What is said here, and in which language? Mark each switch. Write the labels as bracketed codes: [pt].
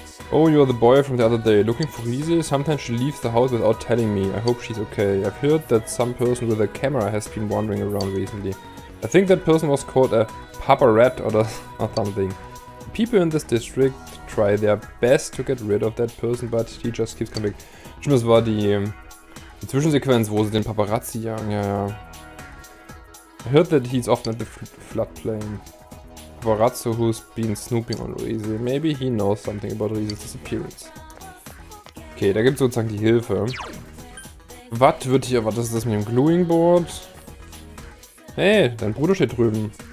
[en] Oh, you're the boy from the other day. Looking for Lise? Sometimes she leaves the house without telling me. I hope she's okay. I've heard that some person with a camera has been wandering around recently. I think that person was called a papa rat or something. People in this district try their best to get rid of that person, but he just keeps coming. [de] Stimmt, das war die Zwischensequenz, wo sie den Paparazzi jagen, ja, ja. [en] I heard that he's often at the floodplain. Paparazzo who's been snooping on Riese. Maybe he knows something about Riese's disappearance. [de] Okay, da gibt's sozusagen die Hilfe. Was wird hier erwartet? Was ist das mit dem Gluing Board? Hey, dein Bruder steht drüben.